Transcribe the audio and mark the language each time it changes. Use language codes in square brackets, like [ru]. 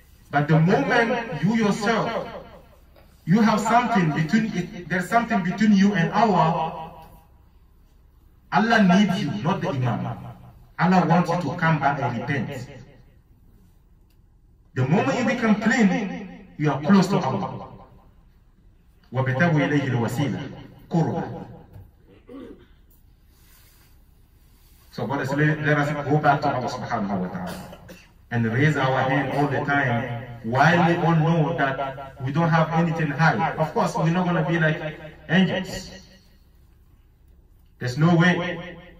[en] But the moment you yourself, you have something between, there's something between you and Allah needs you, not the imam. Allah wants you to come back and repent. The moment you become clean, you are close to Allah. [ar] وابتغوا إليه الوسيلة قربة. [en] So what is let us go back to Allah subhanahu wa ta'ala and raise our hand all the time while we all know that we don't have anything high. Of course, we're not going to be like angels. There's no way.